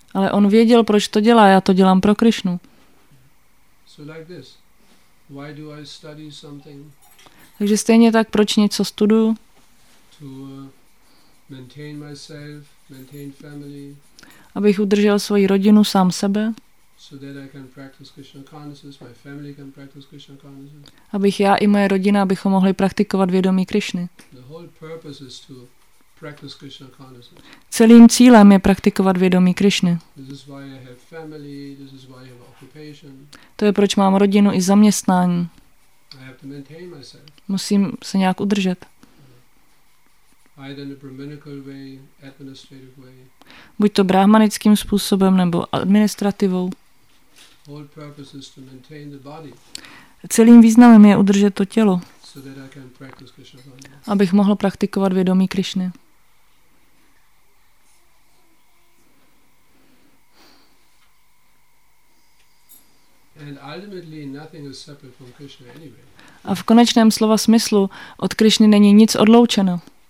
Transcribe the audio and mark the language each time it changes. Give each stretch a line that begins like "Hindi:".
Czech: Ale on věděl, proč to dělá, já to dělám pro Krišnu.
English: So like this. Why do I study something?
Czech: Takže stejně tak, proč něco studuju?
English: To maintain myself, maintain family.
Czech: Abych udržel svoji rodinu, sám sebe.
English: So that I can practice Krishna consciousness, my family can practice Krishna consciousness.
Czech: Abych já i moje rodina, abychom mohli praktikovat vědomí Krišny.
English: The whole purpose is to practice Krishna consciousness.
Czech: Celým cílem je praktikovat vědomí Krišny.
English: This is why I have family, this is why I have occupation.
Czech: To je proč mám rodinu i zaměstnání.
English: I have to maintain myself.
Czech: Musím se nějak udržet.
English: Either in a brahmanical way, administrative way.
Czech: Buď to brahmanickým způsobem nebo administrativou.
English: All purpose is to maintain the body.
Czech: Celým významem je udržet to tělo.
English: So that I can practice Krishna consciousness.
Czech: Abych mohl praktikovat vědomí Krišny.
English: And ultimately nothing is separate from Krishna anyway.
Czech: A v konečném slova smyslu od Krišny není nic odloučeno.